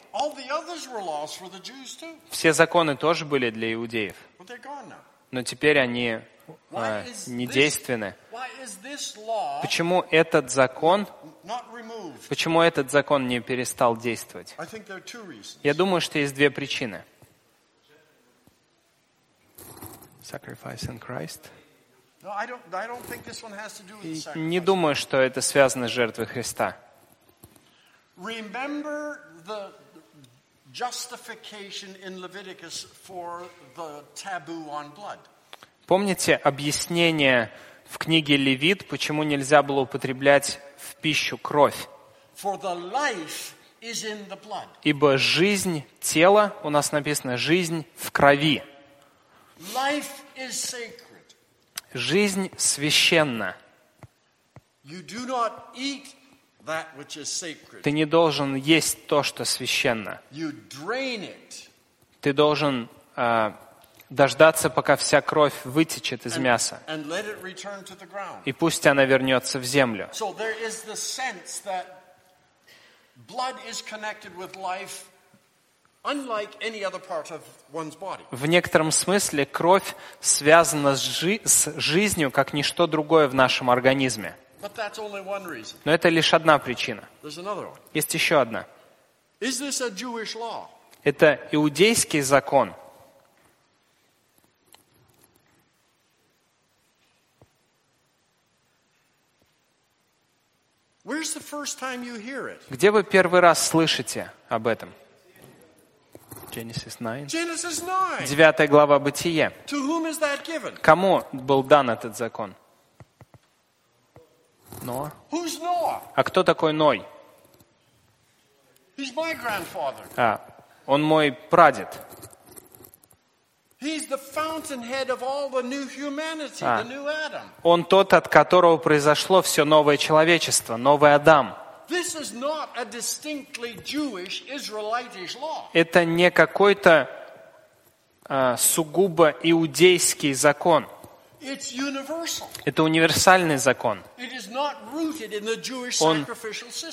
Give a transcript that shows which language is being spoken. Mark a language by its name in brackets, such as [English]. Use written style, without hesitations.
[English] All the others were laws for the Jews too. [Russian] Все законы тоже были для иудеев. [English] But they're gone now. [Russian] Но теперь они недейственны. [English] Why is this law? [Russian] Почему этот закон? [English] Not removed. [Russian] Почему этот закон не перестал действовать? [English] I think there are two reasons. [Russian] Я думаю, что есть две причины. [English] Sacrifice in Christ. No, I don't think this one has to do with the sacrifice. [Russian] Не думаю, что это связано с жертвой Христа. [English] Remember the justification in Leviticus for the taboo on blood. [Russian] Помните объяснение в книге Левит, почему нельзя было употреблять в пищу кровь? [English] For the life is in the blood. [Russian] Ибо жизнь тела, у нас написано, жизнь в крови. [English] Life is sacred. [Russian] Жизнь священна. [English] You do not eat that which is sacred. [Russian] Ты не должен есть то, что священно. [English] You drain it. [Russian] Ты должен дождаться, пока вся кровь вытечет из мяса. [English] And let it return to the ground. [Russian] И пусть она вернется в землю. [English] So there is the sense that blood is connected with life. Unlike any other part of one's body. [Russian] В некотором смысле кровь связана с жизнью, как ничто другое в нашем организме. [English] But that's only one reason. [Russian] Но это лишь одна причина. [English] There's another one. [Russian] Есть еще одна. [English] Is this a Jewish law? [Russian] Это иудейский закон. [English] Where's the first time you hear it? [Russian] Где вы первый раз слышите об этом? [English] Genesis 9. [Russian] 9 глава Бытие. [English] To whom is that given? [Russian] Кому был дан этот закон? Ноа. [English] Who's Noah? [Russian] А кто такой Ной? [English] He's my grandfather. [Russian] А, он мой прадед. [English] He's the fountainhead of all the new humanity, the new Adam. [Russian] Он тот, от которого произошло все новое человечество, новый Адам. [English] This is not a distinctly Jewish, Israelitish law. [Russian] Это не какой-то сугубо иудейский закон. [English] It's universal. [Russian] Это универсальный закон. [English] It is not rooted in the Jewish sacrificial system.